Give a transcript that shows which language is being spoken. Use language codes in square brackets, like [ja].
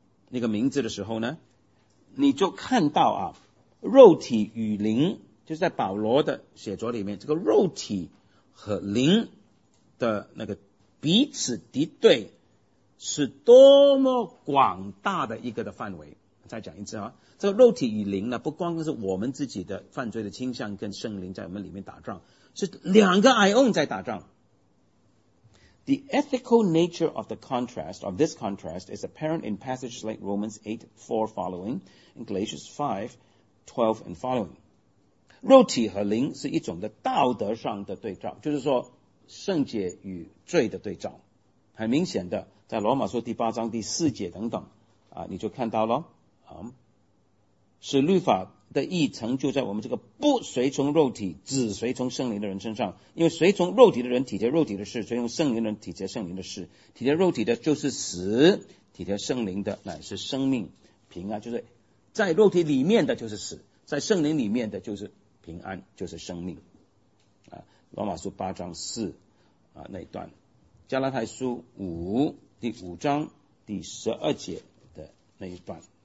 [zh] 那个名字的时候呢你就看到啊，肉体与灵就是在保罗的写作里面这个肉体和灵的那个彼此敌对是多么广大的一个的范围再讲一次啊，这个肉体与灵呢不光是我们自己的犯罪的倾向跟圣灵在我们里面打仗是两个 Ion 在打仗 [en] The ethical nature of the contrast of this contrast is apparent in passages like Romans 8:4 following and Galatians 5:12 and following [zh] 肉体和灵是一种的道德上的对照就是说圣洁与罪的对照很明显的在罗马书第八章第四节等等、你就看到了、使律法的义成就在我们这个不随从肉体只随从圣灵的人身上因为随从肉体的人体贴肉体的事随从圣灵的人体贴圣灵的事体贴肉体的就是死体贴圣灵的乃是生命平安就是在肉体里面的就是死在圣灵里面的就是平安就是生命罗马书八章四、那一段加拉太书五第五章第十二节的那一段